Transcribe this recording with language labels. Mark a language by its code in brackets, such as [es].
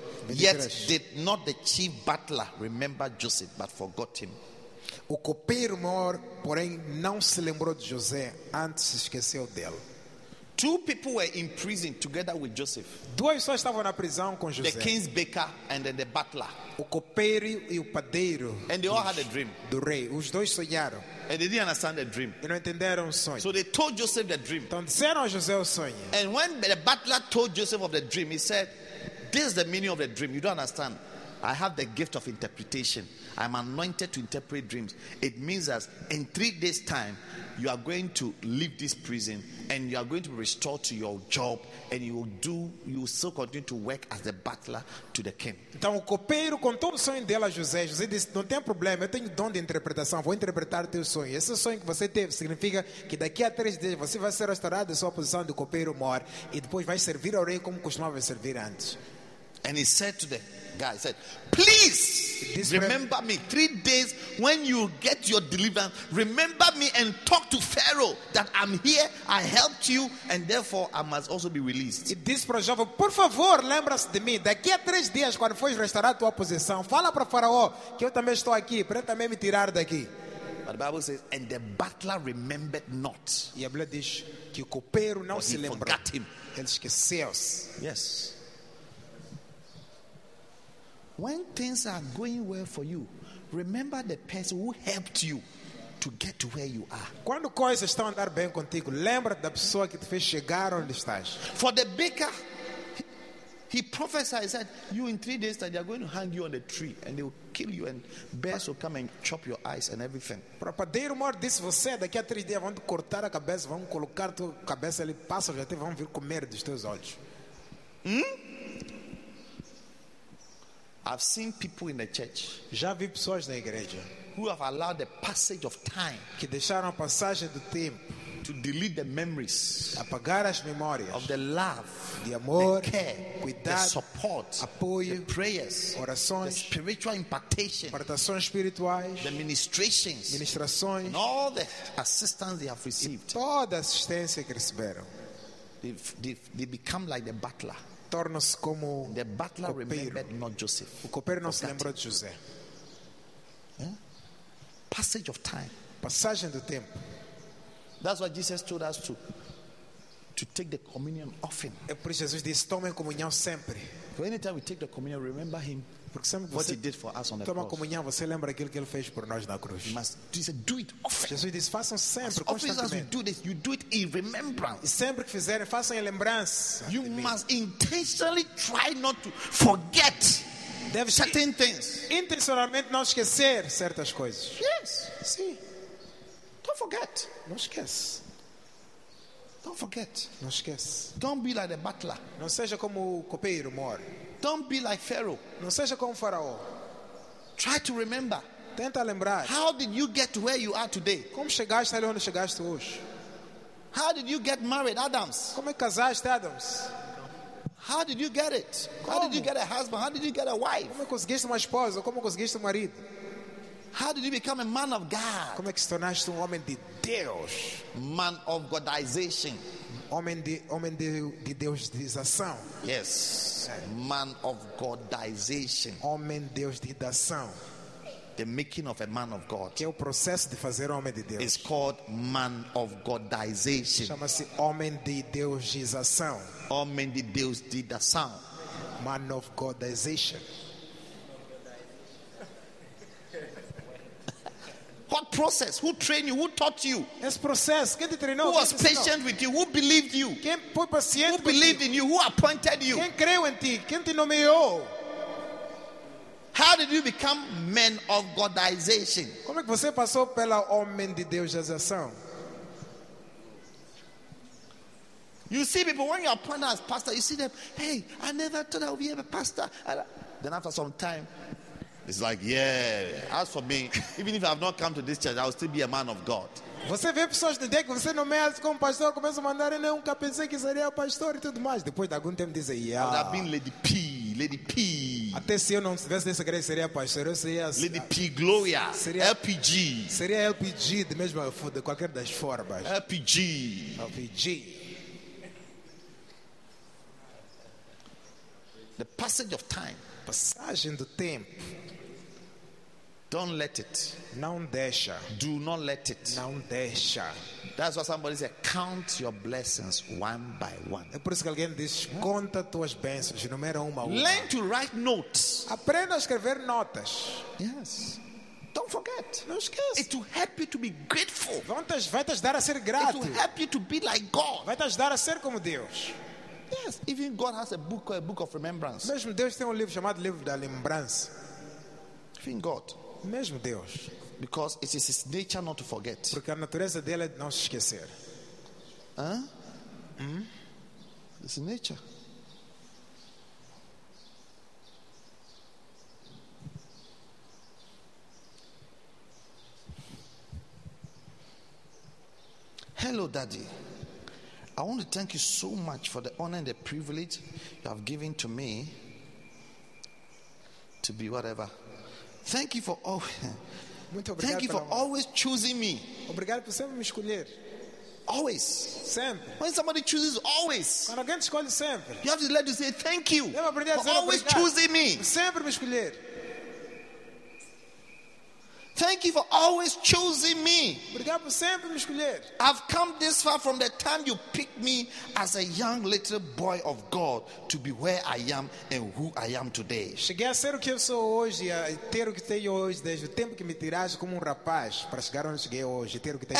[en] Yet did not the chief butler remember Joseph, but forgot him. [pt] O copeiro-mor, porém, não se lembrou de José, antes esqueceu dele. [en] Two people were in prison together with Joseph. [pt] Duas pessoas estavam na prisão com José. [en] The king's baker and then the butler. [pt] O copeiro e o padeiro. [en] And they all had a dream. [pt] Do rei. Os dois sonharam. [en] And they didn't understand the dream. [pt] E não entenderam o sonho. [en] So they told Joseph the dream. [pt] Então disseram a José o sonho. [en] And when the butler told Joseph of the dream, he said, "This is the meaning of the dream. You don't understand. I have the gift of interpretation. I'm anointed to interpret dreams. It means that in 3 days' time, you are going to leave this prison and you are going to be restored to your job and you will still continue to work as the butler to the king." [pt] Então o copeiro contou o sonho dele a José. José disse, não tem problema, eu tenho dom de interpretação, vou interpretar teu sonho. Esse sonho que você teve significa que daqui a 3 dias você vai ser restaurado da sua posição de copeiro-mor e depois vai servir ao rei como costumava servir antes. [en] And he said to the guy, he said, "Please remember me 3 days when you get your deliverance. Remember me and talk to Pharaoh that I'm here, I helped you, and therefore I must also be released." [pt] E disse para o jovem, por favor, lembra-se de mim. Daqui a 3 dias, quando fores restaurar a tua posição, fala para o faraó que eu também estou aqui, para ele também me tirar daqui. [en] But the Bible says, and the butler remembered not. [pt] E a Bíblia diz que o copeiro não se lembrou. [en] He forgot him. [pt] Ele esqueceu-se. [en] Yes. When things are going well for you, remember the person who helped you to get to where you are. [pt] Quando coisas estão a andar bem contigo, lembra da pessoa que te fez chegar onde estás. [en] For the baker, he prophesied that you in 3 days that they are going to hang you on a tree and they will kill you and bears will come and chop your eyes and everything. [pt] Para padeiro mor disse você, daqui a 3 dias vão te cortar a cabeça, vão colocar tua cabeça ali, pássaros até vão vir comer dos teus olhos. [en] I've seen people in the church. [pt] Já vi pessoas na igreja [en] who have allowed the passage of time, [pt] que deixaram a passagem do tempo, [en] to delete the memories, [pt] apagar as memórias, [en] of the love, [pt] de amor, [en] the care, [pt] cuidado, [en] the support, [pt] apoio, [en] the prayers, [pt] orações, [en] the spiritual impartation, [pt] impartações espirituais, [en] the ministrations, [pt] ministrações, [en] and all the assistance they have received. [pt] E toda a assistência que receberam. [en] They become like the butler. [pt] Torna-se como [en] the butler remembered not Joseph. [pt] O copeiro não se lembrou de José. [en] Passage of time. [pt] Passagem do tempo. [en] That's what Jesus told us to take the communion often. [pt] É por isso que Jesus disse, tomem comunhão sempre. [en] For anytime we take the communion, remember him. [pt] Porque sempre [en] what he did for us on the [pt] toma [en] cross. [pt] Comunhão, você lembra aquilo que ele fez por nós na cruz. [en] Jesus do it often. [pt] Jesus disse, façam sempre, [en] as often as you do this, you do it in remembrance. [pt] E sempre que fizerem, façam em lembrança. [en] You must intentionally try not to forget. [pt] Deve [en] certain things. [pt] Intencionalmente não esquecer certas coisas. [en] Yes. [pt] Sim. [en] Don't forget. [pt] Não esquece. [en] Don't forget. [pt] Não esquece. [en] Don't be like the butler. [pt] Não seja como o copeiro mor. [en] Don't be like Pharaoh. [pt] Não seja como o faraó. [en] Try to remember. [pt] Tenta lembrar. [en] How did you get to where you are today? [pt] Como chegaste ali onde chegaste hoje? [en] How did you get married, Adams? [pt] Como é que casaste, Adams? [en] How did you get it? [pt] Como? [en] How did you get a husband? How did you get a wife? [pt] Como é que conseguiste uma esposa? Como é que conseguiste um marido? [en] How did you become a man of God? [pt] Como é que se tornaste homem de Deus? [en] Man of Godization. [pt] Homem de Deusização. [en] Yes. Man of Godization. [pt] Homem Deusização. [en] The making of a man of God. [pt] Que é o processo de fazer homem de Deus. [en] It's called man of Godization. [pt] Chama-se homem de Deusização. Homem de Deusização. [en] Man of Godization. What process? Who trained you? Who taught you? [pt] Esse processo, quem te treinou? [en] Who was patient with you? Who believed you? [pt] Quem foi paciente? [en] Who believed in you? Who appointed you? [pt] Quem creu em ti? Quem te nomeou? [en] How did you become men of Godization? [pt] Como é que você passou pela homem de Deusização? [en] You see people, when you're appointed as pastor, you see them, "Hey, I never thought I would be a pastor." Then after some time, it's like, yeah, as for me, even if I have not come to this church, I will still be a man of God. [pt] Você vê pessoas de dia que você nomeia-se como pastor, começa a mandar, eu nunca pensei que seria pastor e tudo mais. Depois de algum tempo dizem, yeah. [en] I've been Lady P, Lady P. [pt] Até se eu não tivesse nessa igreja, seria pastor, eu seria... Lady P, Gloria, seria, LPG. Seria LPG, de mesma, de qualquer das formas. LPG. LPG. [en] The passage of time. [pt] Passagem do tempo. [en] Don't let it. [pt] Não deixa. [en] Do not let it. [pt] Não deixa. [en] That's what somebody said. Count your blessings one by one. [pt] É por isso que alguém diz, conta tuas bênçãos, numera uma a uma. [en] Learn to write notes. [pt] Aprenda a escrever notas. [en] Yes. Don't forget. [pt] Não esqueça. [en] It will help you to be grateful. [pt] Vai te ajudar a ser grato. [en] It will help you to be like God. [pt] Vai te ajudar a ser como Deus. [en] Yes. Even God has a book of remembrance. [pt] Mesmo Deus tem livro chamado Livro da Lembrança. [en] Even God. [pt] Mesmo Deus. [en] Because it is his nature not to forget. [pt] Porque a natureza dele é não se esquecer. [en] Huh? It's his nature. Hello, Daddy. I want to thank you so much for the honor and the privilege you have given to me to be whatever. Thank you for always choosing me. [pt] Obrigado por sempre me escolher. [en] Always. [pt] Sempre. [en] When somebody chooses always. [pt] Quando alguém te escolhe sempre. [en] You have to let you say thank you. [pt] Eu aprendi a dizer obrigado. [en] Always choosing me. [pt] Sempre me escolher. [en] Thank you for always choosing me. [pt] Obrigado por sempre me escolher. [en] I've come this far from the time you picked me as a young little boy of God to be where I am and who I am today. [pt] Cheguei a ser o que eu sou hoje, a ter o que tenho hoje, desde o tempo que me tiraste como rapaz para chegar onde cheguei hoje, ter o que tenho.